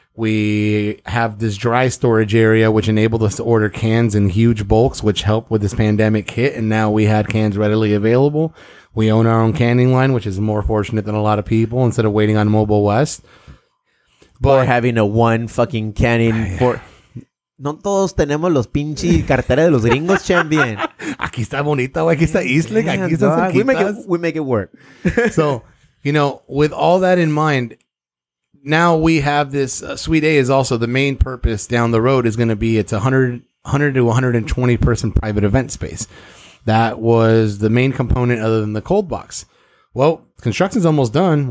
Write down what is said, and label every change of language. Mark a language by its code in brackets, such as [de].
[en] We have this dry storage area, which enabled us to order cans in huge bulks, which helped with this pandemic hit. And now we had cans readily available. We own our own canning line, which is more fortunate than a lot of people, instead of waiting on Mobile West. Or having a one fucking canning for... [es] No todos tenemos los pinches carteras de los gringos, champion. Aquí está bonito. Aquí está Eastlick. Aquí está Cerquitas. [en] We make it work. So, you know, with all that in mind... Now we have this Suite A is also the main purpose down the road is going to be it's 100 to 120 person private event space. that was the main component other than the cold box. Well, construction's almost done.